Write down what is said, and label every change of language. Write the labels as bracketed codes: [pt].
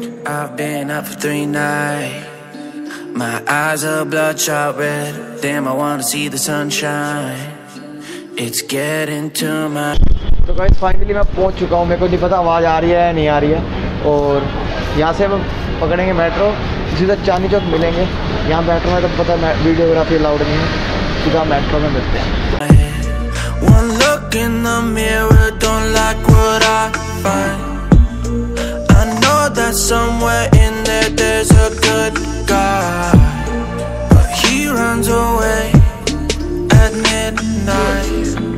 [en] I've been up for 3 nights, my eyes are bloodshot red, damn I wanna see the sunshine, it's getting to my... [hi] तो guys finally मैं पहुंच चुका हूं, मेरे को नहीं पता आवाज़ आ रही है या नहीं आ रही है। और यहां से हम पकड़ेंगे मेट्रो, सीधा चांदनी चौक मिलेंगे। यहां मेट्रो में तो पता है वीडियोग्राफी अलाउड नहीं है, सीधा मेट्रो में मिलते हैं। [en] One look in the mirror, don't like what I find. That somewhere in there there's a good guy, but he runs away at midnight.